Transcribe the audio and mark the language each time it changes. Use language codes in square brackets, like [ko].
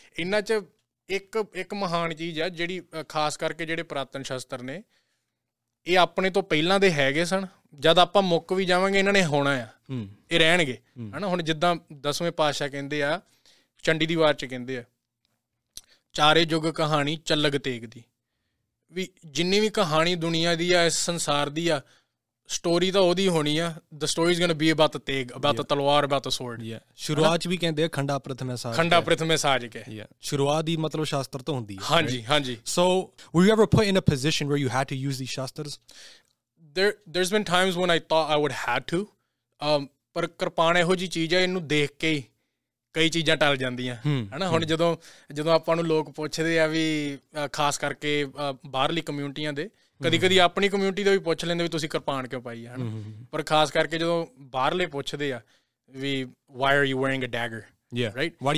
[pa] ਇਨਾਂ ਚ ਇੱਕ ਮਹਾਨ ਚੀਜ਼ ਆ ਜਿਹੜੀ ਖਾਸ ਕਰਕੇ ਜਿਹੜੇ ਪੁਰਾਤਨ ਸ਼ਸਤਰ ਨੇ ਇਹ ਆਪਣੇ ਤੋਂ ਪਹਿਲਾਂ ਦੇ ਹੈਗੇ ਸਨ, ਜਦ ਆਪਾਂ ਮੁੱਕ ਵੀ ਜਾਵਾਂਗੇ ਇਹਨਾਂ ਨੇ ਹੋਣਾ ਆ, ਇਹ ਰਹਿਣਗੇ, ਹੈ ਨਾ। ਹੁਣ ਜਿੱਦਾਂ ਦਸਵੇਂ ਪਾਤਸ਼ਾਹ ਕਹਿੰਦੇ ਆ ਚੰਡੀ ਦੀ ਵਾਰ 'ਚ ਕਹਿੰਦੇ ਆ ਚਾਰੇ ਯੁੱਗ ਕਹਾਣੀ ਚੱਲਕ ਤੇਗ ਦੀ, ਵੀ ਜਿੰਨੀ ਵੀ ਕਹਾਣੀ ਦੁਨੀਆ ਦੀ ਆ ਇਸ ਸੰਸਾਰ ਦੀ ਆ ਸਟੋਰੀ ਤਾਂ ਉਹਦੀ ਹੋਣੀ ਆ, [en] The story is going to be about ਤੇਗ, about ਤਲਵਾਰ, about sword. [pa] ਸ਼ੁਰੂਆਤ 'ਚ ਵੀ ਕਹਿੰਦੇ ਆ ਖੰਡਾ ਪ੍ਰਥਮੇ ਸਾਜ, ਖੰਡਾ ਪ੍ਰਥਮੇ ਸਾਜ ਕੇ, ਸ਼ੁਰੂਆਤ ਹੀ ਮਤਲਬ ਸ਼ਾਸਤਰ ਤੋਂ ਹੁੰਦੀ ਆ। ਹਾਂਜੀ ਹਾਂਜੀ। [en] So ਵੀ you ever put in a position where you had to use the shastras? There's been times when I thought I would have to, [pa] par kirpan eh ho ji cheez hai, innu dekh ke ਕਈ ਚੀਜ਼ਾਂ ਟਲ ਜਾਂਦੀਆਂ ਹਨਾ। ਹੁਣ ਜਦੋਂ ਜਦੋਂ ਆਪਾਂ ਨੂੰ ਲੋਕ ਪੁੱਛਦੇ ਆ ਵੀ ਖਾਸ ਕਰਕੇ ਬਾਹਰਲੀ ਕਮਿਊਨਿਟੀਆਂ ਦੇ, ਕਦੀ ਕਦੀ ਆਪਣੀ ਕਮਿਊਨਿਟੀ ਦਾ ਵੀ ਪੁੱਛ ਲੈਂਦੇ ਵੀ ਤੁਸੀਂ ਕਿਰਪਾਨ ਕਿਉਂ ਪਾਈ ਆ ਹਨਾ, ਪਰ ਖਾਸ ਕਰਕੇ ਜਦੋਂ ਬਾਹਰਲੇ ਪੁੱਛਦੇ ਆ V [en] why are you wearing a dagger, why